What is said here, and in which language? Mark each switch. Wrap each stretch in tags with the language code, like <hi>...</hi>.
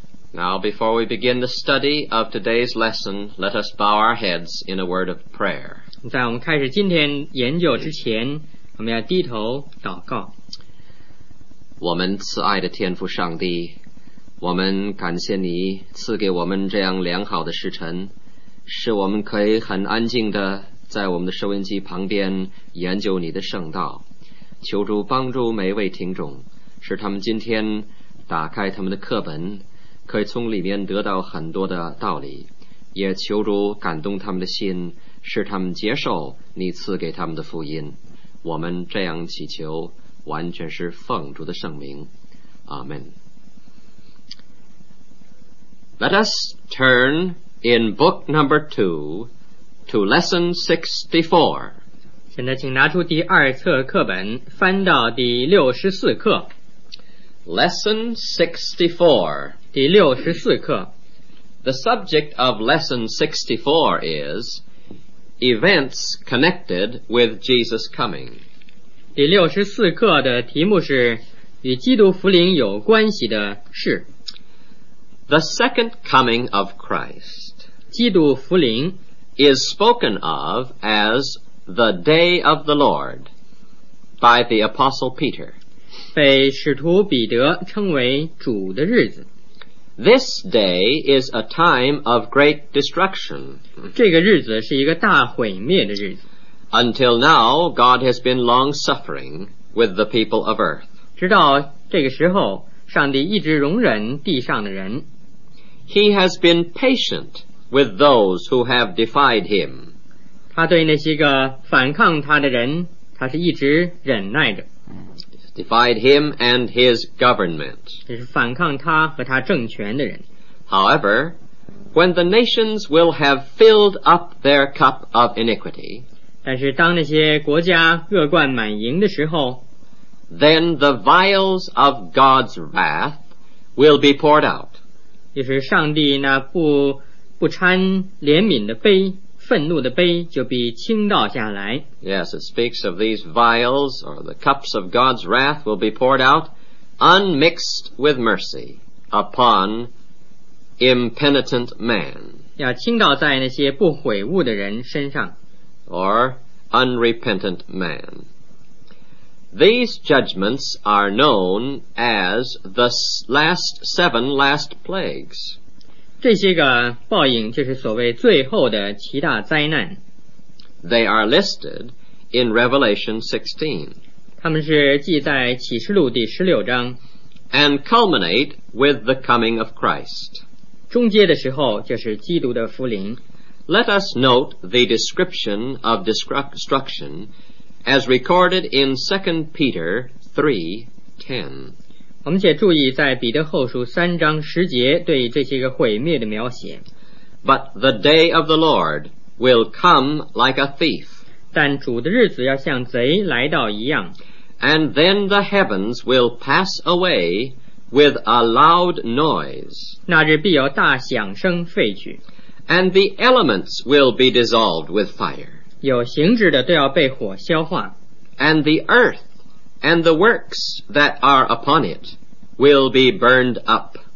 <en>Now, before we begin the study of today's lesson, let us bow our heads in a word of prayer.</en> <zh>在我们开始今天研究之前，我们要低头祷告。我们慈爱的天父上帝，我们感谢你赐给我们这样良好的时辰，使我们可以很安静地在我们的收音机旁边研究你的圣道。求主帮助每一位听众，使他们今天打开他们的课本，可以从里面得到很多的道理，也求主感动他们的心，使他们接受你赐给他们的福音。我们这样祈求，完全是奉主的圣名，阿们。</zh> <en>Let us turn in book number 2 to lesson 64.</en> <zh>现在请拿出第二册课本，翻到第64课。</zh> <en>Lesson 64.</en> <zh>第64课。</zh> <en>The subject of lesson 64 is events connected with Jesus coming.</en> <zh>第64课的题目是与基督福临有关系的事。</zh> <en>The second coming of Christ,</en> <zh>基督福临,</zh> <en>is spoken of as the day of the Lord by the Apostle Peter.</en> <zh>被使徒彼得称为主的日子。</zh> <en>This day is a time of great destruction.</en> <zh>这个日子是一个大毁灭的日子。</zh> <en>Until now, God has been long-suffering with the people of earth.</en> <zh>直到这个时候，上帝一直容忍地上的人。</zh> <en>He has been patient with those who have defied him.</en> <zh>他对那些个反抗他的人，他是一直忍耐着。</zh> <en>Defied him and his government.</en> <zh>这是反抗他和他政权的人。</zh> <en>However, when the nations will have filled up their cup of iniquity,</en> <zh>但是当那些国家恶贯满盈的时候，</zh> <en>then the vials of God's wrath will be poured out.</en> <zh>就是上帝那不掺怜悯的杯，愤怒的杯就必倾倒下来。</zh> <en>Yes, it speaks of these vials or the cups of God's wrath will be poured out unmixed with mercy upon impenitent man.</en> <zh>要倾倒在那些不悔悟的人身上。</zh> <en>Or unrepentant man. These judgments are known as the last seven last plagues.</en> <zh>这些个报应就是所谓最后的七大灾难。</zh> <en>They are listed in Revelation 16.</en> <zh>他们是记在启示录第十六章。</zh> <en>And culminate with the coming of Christ.</en> <zh>终结的时候就是基督的福临。</zh> <en>Let us note the description of destruction as recorded in 2 Peter 3:10.</en> <zh>我们且注意在彼得后书三章十节对这些个毁灭的描写。</zh> <en>But the day of the Lord will come like a thief.</en> <zh>但主的日子要像贼来到一样。</zh> <en>And then the heavens will pass away with a loud noise.</en> <zh>那日必有大响声废去。</zh> <en>And the elements will be dissolved with fire.</en> <zh>有形质的都要被火消化。</zh> <en>And the earth and the works that are upon it will be burned up.</en>